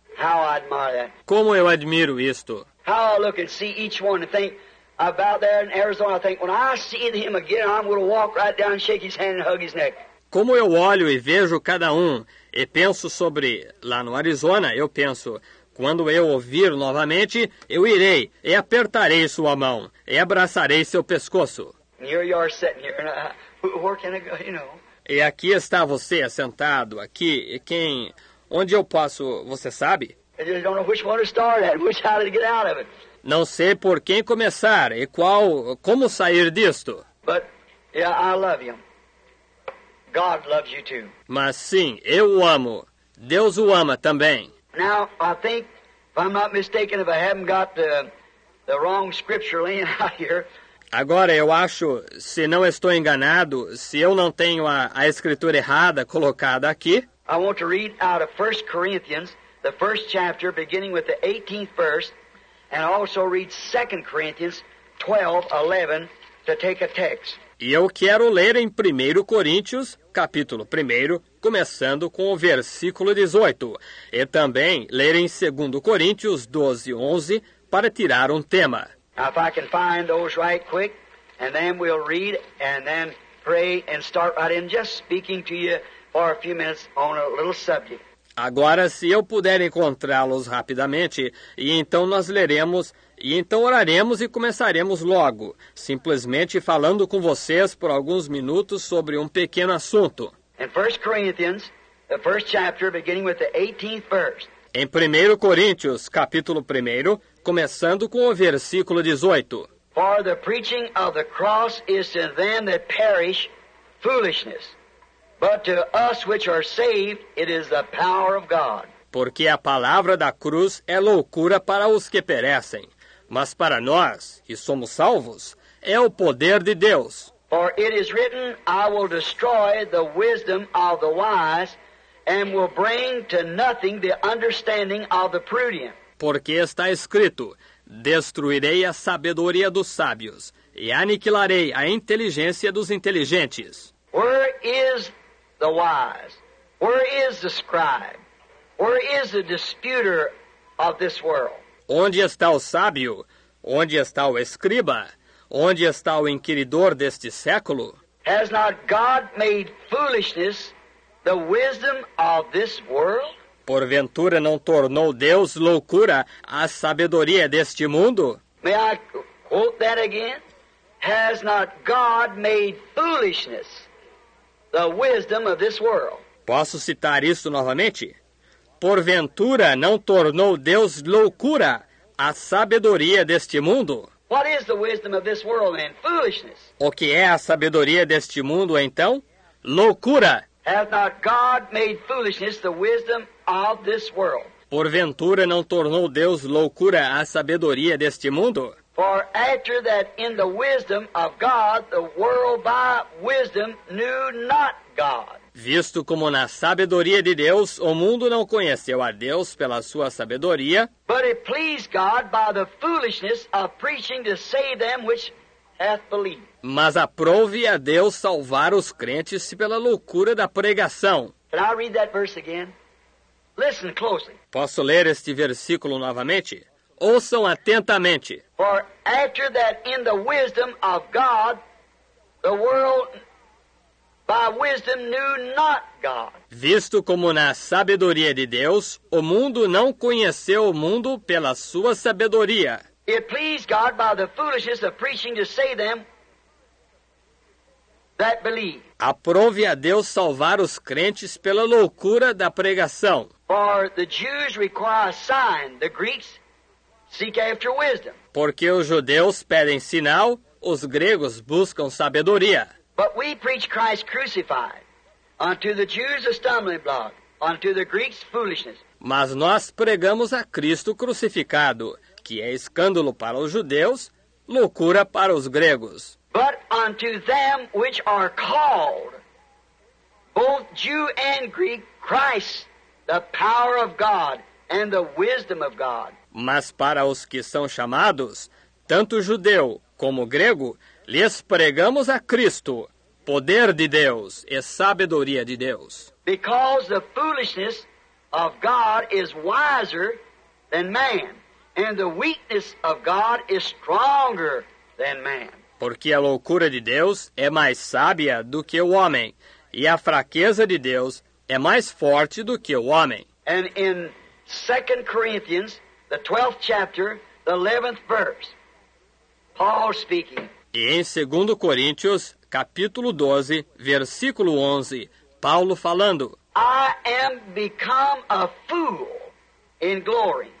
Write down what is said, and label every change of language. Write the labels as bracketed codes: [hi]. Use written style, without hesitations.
[en] How I admire that. [pt] Como eu admiro isto. [en] How I look and see each one and think about there in Arizona. I think when I see him again, I'm going to walk right down, shake his hand and hug his neck. [pt] Como eu olho e vejo cada um e penso sobre lá no Arizona, eu penso, quando eu ouvir novamente, eu irei e apertarei sua mão e abraçarei seu pescoço. [en] Here you are sitting here, where can I go, you know? [pt] E aqui está você sentado aqui. E quem, onde eu posso, você sabe? [en] I don't know which one to start at, which how to get out of it. [pt] Não sei por quem começar e qual, como sair disto. [en] But yeah, I love you. God loves you too. [pt] Mas sim, eu o amo. Deus o ama também. [en] Now I think, if I'm not mistaken, if I haven't got the wrong scripture laying out here. [pt] Agora, eu acho, se não estou enganado, se eu não tenho a escritura errada colocada aqui, [en] I want to read out of 1 Corinthians, the first chapter, beginning with the 18th verse, and also read 2 Corinthians 12, 11, to take a text. [pt] E eu quero ler em 1 Coríntios, capítulo 1, começando com o versículo 18, e também ler em 2 Coríntios 12, 11, para tirar um tema. [en] Now, if I can find those right quick, and then we'll read, and then pray, and start right in, just speaking to you for a few minutes on a little subject. [pt] Agora, se eu puder encontrá-los rapidamente, e então nós leremos, e então oraremos e começaremos logo, simplesmente falando com vocês por alguns minutos sobre um pequeno assunto. [en] In 1 Corinthians, the first chapter, beginning with the 18th verse. [pt] Em 1 Coríntios, capítulo 1, começando com o versículo 18. [en] For the preaching of the cross is to them that perish foolishness, but to us which are saved it is the power of God. [pt] Porque a palavra da cruz é loucura para os que perecem, mas para nós, que somos salvos, é o poder de Deus. [en] For it is written, I will destroy the wisdom of the wise, and will bring to nothing the understanding of the prudent. [pt] Porque está escrito, destruirei a sabedoria dos sábios, e aniquilarei a inteligência dos inteligentes. [en] Where is the wise? Where is the scribe? Where is the disputer of this world? [pt] Onde está o sábio? Onde está o escriba? Onde está o inquiridor deste século? [en] Has not God made foolishness the wisdom of this world? [pt] Porventura não tornou Deus loucura a sabedoria deste mundo? [en] May I quote that again? Has not God made foolishness the wisdom of this world? [pt] Posso citar isso novamente? Porventura não tornou Deus loucura a sabedoria deste mundo? [en] What is the wisdom of this world, then? Foolishness. [pt] O que é a sabedoria deste mundo, então? Loucura. [en] Has not God made foolishness the wisdom of this world? [pt] Porventura não tornou Deus loucura a sabedoria deste mundo? [en] For after that in the wisdom of God, the world by wisdom knew not God. [pt] Visto como na sabedoria de Deus, o mundo não conheceu a Deus pela sua sabedoria. [en] But it pleased God by the foolishness of preaching to save them which hath believed. [pt] Mas aprouve a Deus salvar os crentes pela loucura da pregação. [en] Can I read that verse again? Listen closely. [pt] Posso ler este versículo novamente? Ouçam atentamente. [en] For after that in the wisdom of God, the world by wisdom knew not God. [pt] Visto como na sabedoria de Deus, o mundo não conheceu o mundo pela sua sabedoria. [en] It pleased God by the foolishness of preaching to save them that believe. [pt] Aprove a Deus salvar os crentes pela loucura da pregação. [en] For the Jews require a sign, the Greeks seek after wisdom. [pt] Porque os judeus pedem sinal, os gregos buscam sabedoria. [en] But we preach Christ crucified, unto the Jews a stumbling block, unto the Greeks foolishness. [pt] Mas nós pregamos a Cristo crucificado, que é escândalo para os judeus, loucura para os gregos. [en] But unto them which are called, both Jew and Greek, Christ, the power of God and the wisdom of God. [pt] Mas para os que são chamados, tanto judeu como grego, lhes pregamos a Cristo, poder de Deus e sabedoria de Deus. [en] Because the foolishness of God is wiser than man, and the weakness of God is stronger than man. [pt] Porque a loucura de Deus é mais sábia do que o homem, e a fraqueza de Deus é mais forte do que o homem. [en] And in 2 Corinthians, the 12th chapter, the 11th verse, Paul speaking. [pt] E em 2 Coríntios, capítulo 12, versículo 11, Paulo falando. [en] I am become a fool in glory.